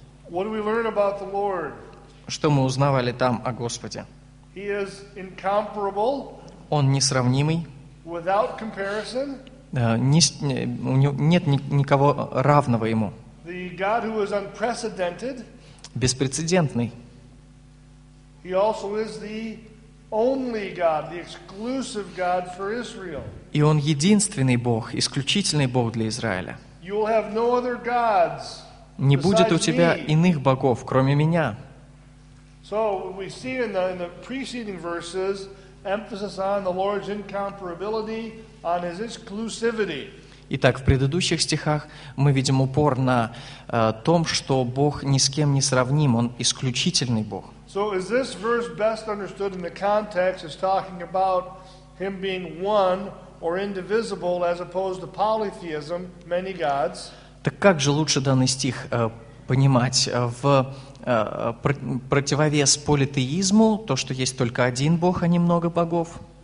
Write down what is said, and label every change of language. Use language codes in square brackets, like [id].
[en] What do we learn about the Lord? [ru] что мы узнавали там о Господе. [en] He is incomparable. [ru] Он несравнимый. [en] Without comparison. [ru] У него нет никого равного ему. [en] The God who is unprecedented. [ru] Беспрецедентный. [en] He also is the only God, the exclusive God for Israel. [ru] И он единственный Бог, исключительный Бог для Израиля. [en] You will have no other gods. [ru] Не будет у тебя иных богов, кроме меня. [en] So we see in the preceding verses emphasis on the Lord's incomparability, on His exclusivity. [ru] Итак, в предыдущих стихах мы видим упор на том, что Бог ни с кем не сравним, Он исключительный Бог. [en] So is this verse best understood in the context as talking about Him being one or indivisible, as opposed to polytheism, many gods? [ru] Так как же лучше данный стих понимать в противовес политеизму, то, что есть только один Бог, а не много богов?